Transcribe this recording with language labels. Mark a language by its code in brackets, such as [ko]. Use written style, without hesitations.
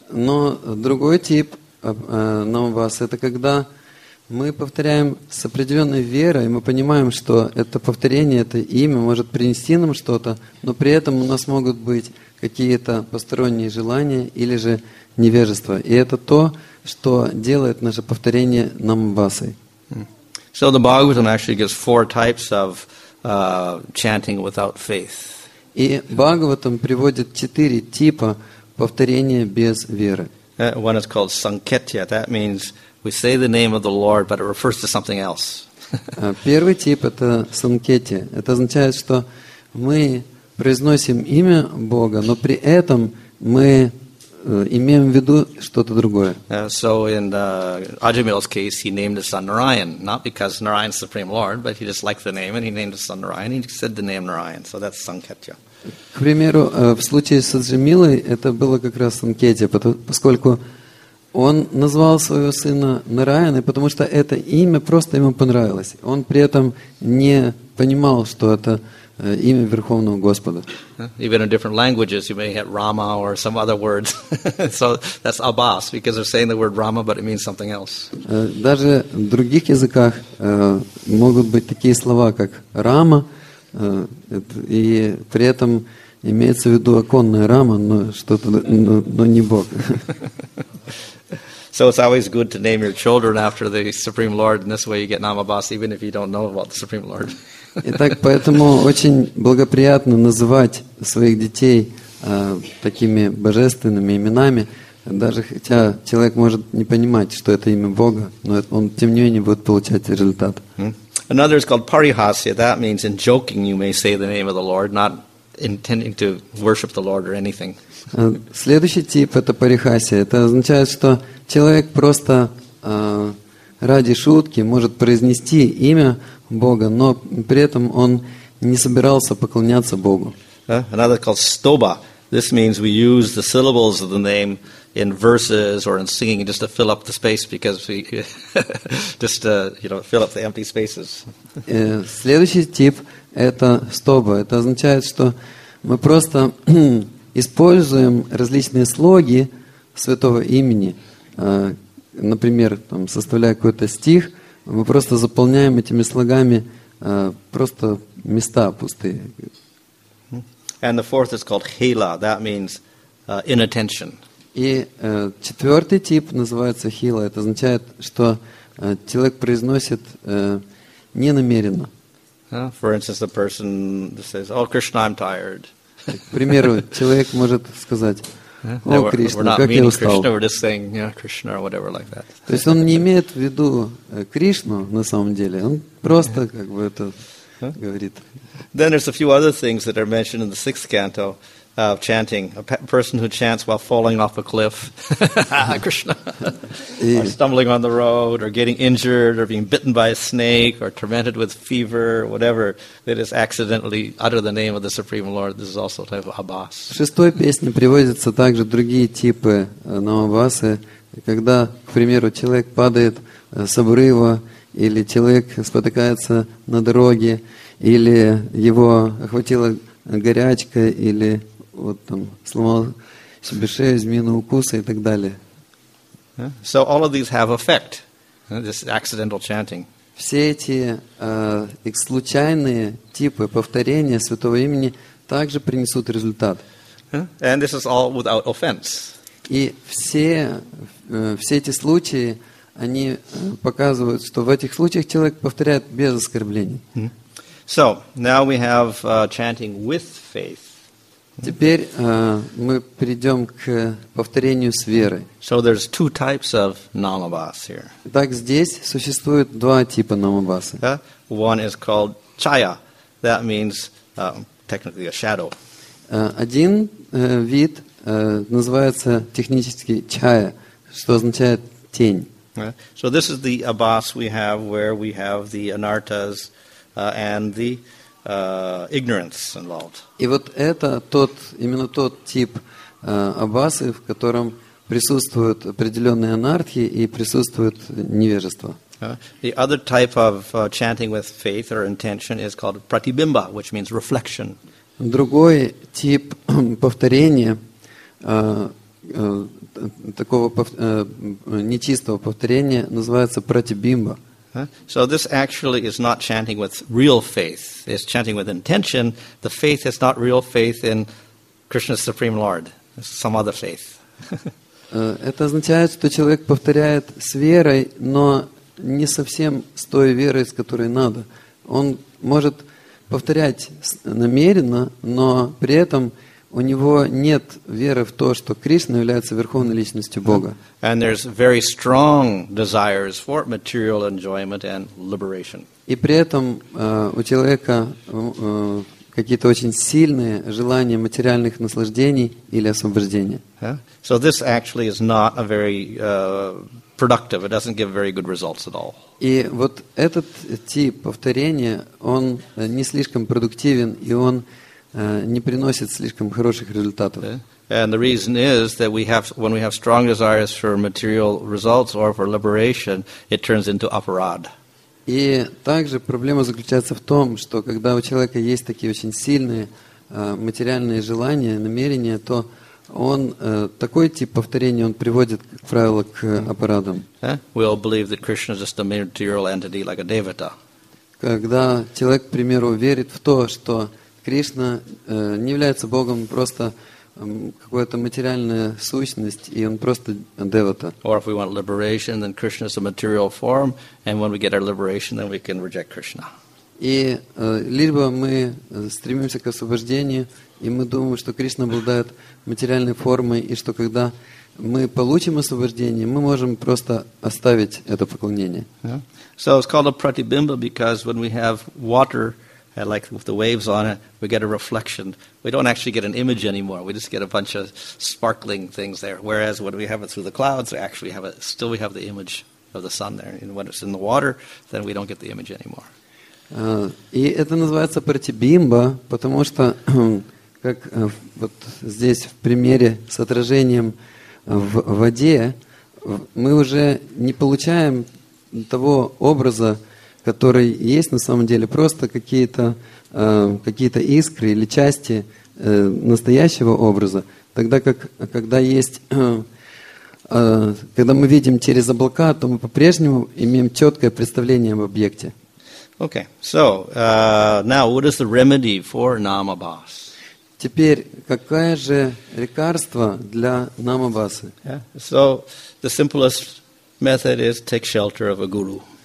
[ru] Но другой тип Намабас – это когда мы повторяем с определенной верой, мы понимаем, что это повторение, это имя может принести нам что-то, но при этом у нас могут быть какие-то посторонние желания или же невежество. И это то, что делает наше повторение намбасой. [en] So the Bhagavatam actually gives four types of chanting without faith. [ru] И Бхагаватам приводит четыре типа повторения без веры. [en] One is called Sanketya. That means we say the name of the Lord, but it refers to something else. [ru] Первый тип – это Санкетия. Это означает, что мы произносим имя Бога, но при этом мы имеем в виду что-то другое. [en] So in Ajamil's case, he named his son Narayan, not because Narayan is the Supreme Lord, but he just liked the name, and he named his son Narayan, and he said the name Narayan. So that's Sanketya. [ru] К примеру, в случае с Аджамилой это было как раз Санкетия, поскольку он назвал своего сына Нараян, и потому что это имя просто ему понравилось. Он при этом не понимал, что это имя Верховного Господа. [en] Even in different languages, you may have Rama or some other words. So that's Abbas, because they're saying the word Rama, but it means something else. [ru] Даже в других языках могут быть такие слова, как Рама, и при этом имеется в виду оконная рама, но что-то, но не Бог. [en] So it's always good to name your children after the Supreme Lord, and this way you get Namabhas, even if you don't know about the Supreme Lord. [ru] Итак, поэтому очень благоприятно называть своих детей такими божественными именами, даже хотя человек может не понимать, что это имя Бога, но он тем не менее будет получать результат. [en] Another is called Parihasya. That means in joking you may say the name of the Lord, not intending to worship the Lord or anything. [ru] Следующий тип – это парихасия. Это означает, что человек просто ради шутки может произнести имя Бога, но при этом он не собирался поклоняться Богу. [en] Another called stoba. This means we use the syllables of the name in verses or in singing just to fill up the space, because we just fill up the empty spaces. [ru] Следующий тип – это стоба. Это означает, что мы просто используем различные слоги святого имени. Например, там, составляя какой-то стих, мы просто заполняем этими слогами просто места пустые. [en] And the fourth is called hila. That means inattention. [ru] И четвертый тип называется хила. Это означает, что человек произносит ненамеренно. [en] For instance, the person says, "Oh, Krishna, I'm tired." [ru] К примеру, человек может сказать: «О, Кришна, как я устал». То есть он не имеет в виду Кришну на самом деле. Он просто как бы это говорит. [en] Then there's a few other things that are mentioned in the sixth canto of chanting. A person who chants while falling off a cliff, Krishna, or stumbling on the road, or getting injured, or being bitten by a snake, or tormented with fever, whatever, that is accidentally utter the name of the Supreme Lord. This is also a type of Abbas. [ru] В шестой песне приводятся также другие типы намбасы, когда, к примеру, человек падает с обрыва, или человек спотыкается на дороге, или его охватила горячка, или вот там сломал себе шею, змеиного укуса и так далее. [en] So all of these have effect, this accidental chanting. [ru] Все эти случайные типы повторения святого имени также принесут результат. [en] And this is all without offense. [ru] И все эти случаи, они показывают, что в этих случаях человек повторяет без оскорблений. [en] So, now we have chanting with faith. [ru] Теперь мы перейдем к повторению с верой. [en] So there's two types of namabhas here. [ru] Так здесь существует два типа намабасы. [en] One is called chaya. That means technically a shadow. [ru] Один вид называется технически чая, что означает тень. [en] So this is the abbas we have where we have the anartas and the ignorance involved. [ru] И вот это тот, именно тот тип аббасы, в котором присутствуют определенные анартхи и присутствует невежество. [en] The other type of chanting with faith or intention is called pratibimba, which means reflection. [ru] Другой тип повторения, такого нечистого повторения, называется пратибимба. [en] So this actually is not chanting with real faith. It's chanting with intention. The faith is not real faith in Krishna's Supreme Lord. It's some other faith. [ru] Это означает, что человек повторяет с верой, но не совсем с той верой, с которой надо. Он может повторять намеренно, но при этом у него нет веры в то, что Кришна является Верховной Личностью Бога. [en] And there's very strong desires for material enjoyment and liberation. [ru] И при этом у человека какие-то очень сильные желания материальных наслаждений или освобождения. [en] So this actually is not a very productive. It doesn't give very good results at all. [ru] И вот этот тип повторения, он не слишком продуктивен, и он не приносит слишком хороших результатов. [en] And the reason is that when we have strong desires for material results or for liberation, it turns into aparad. [ru] И также проблема заключается в том, что когда у человека есть такие очень сильные материальные желания, намерения, то он такой тип повторения он приводит, как правило, к аппаратам. [en] We all believe that Krishna is just a material entity like a devata. [ru] Когда человек, к примеру, верит в то, что Кришна не является Богом, просто какая-то материальная сущность, и он просто девата. [en] Or if we want liberation, then Krishna is a material form, and when we get our liberation, then we can reject Krishna. [ru] И либо мы стремимся к освобождению, и мы думаем, что Кришна обладает материальной формой, и что когда мы получим освобождение, мы можем просто оставить это поклонение. [en] So it's called a pratibimba because when we have water, like with the waves on it, we get a reflection. We don't actually get an image anymore. We just get a bunch of sparkling things there. Whereas when we have it through the clouds, we have the image of the sun there. And when it's in the water, then we don't get the image anymore. [ru] И это называется пратибимба, потому что, как вот здесь в примере с отражением в воде, мы уже не получаем того образа, который есть на самом деле, просто какие-то искры или части настоящего образа, тогда как когда мы видим через облака, то мы по-прежнему имеем четкое представление об объекте. [en] Okay, so now what is the remedy for Namabhas? [ru] Теперь, какое же лекарство для Намабасы? [en] So the simplest method is take shelter of a guru.